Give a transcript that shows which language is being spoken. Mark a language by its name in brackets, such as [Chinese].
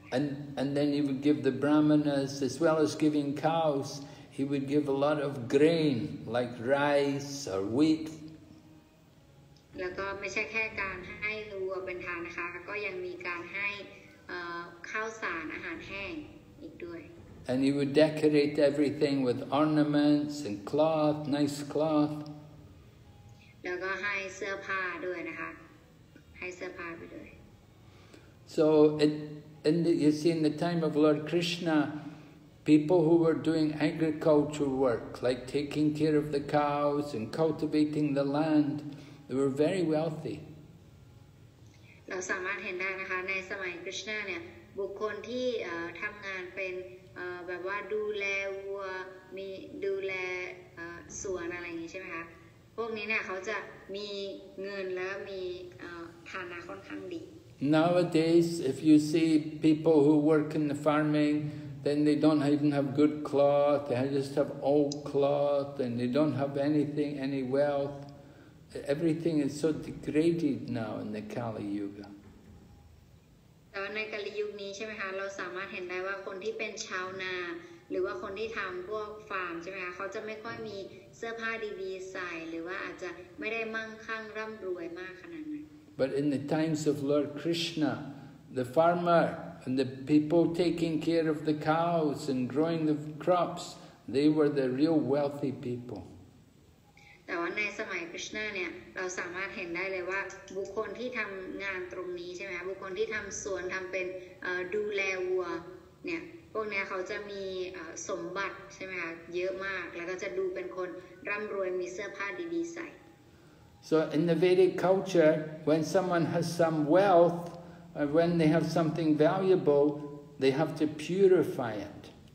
[English] And then he would give the brahmanas as well as giving cows he would give a lot of grain like rice or wheat [Thai] แล้วก็ไม่ใช่แค่การให้วัวเป็นทานนะคะก็ยังมีการให้ข้าวสารอาหารแห้งอีกด้วย [English] And he would decorate everything with ornaments and cloth nice cloth [Thai] แล้วก็ให้เสื้อผ้าด้วยนะคะให้เสื้อผ้าไปด้วย [English] So you see in the time of Lord Krishna people who were doing agricultural work like taking care of the cows and cultivating the land they were very wealthy [Thai] เราสามารถเห็นได้นะคะในสมัยคริสต์นาเนี่ยบุคคลที่ทำงานเป็นแบบว่าดูแลวัวมีดูแลสวนอะไรอย่างงี้ใช่ไหมคะพวกนี้เนี่ยเขาจะมีเงินและมีฐานะค่อนข้างดี [English] Nowadays if you see people who work in the farming then they don't even have good cloth they just have old cloth and they don't have anything any wealth everything is so degraded now in the Kali Yuga [Thai] ตอนในกาลยุคนี้ใช่ไหมคะเราสามารถเห็นได้ว่าคนที่เป็นชาวนาหรือว่าคนที่ทำพวกฟาร์มใช่ไหมคะเขาจะไม่ค่อยมีเสื้อผ้าดีๆใส่หรือว่าอาจจะไม่ได้มั่งคั่งร่ำรวยมากขนาดนั้น [English] But in the times of Lord Krishna, the farmer and the people taking care of the cows and growing the crops, they were the real wealthy people. So in the Vedic culture, when someone has some wealth, or when they have something valuable, they have to purify it.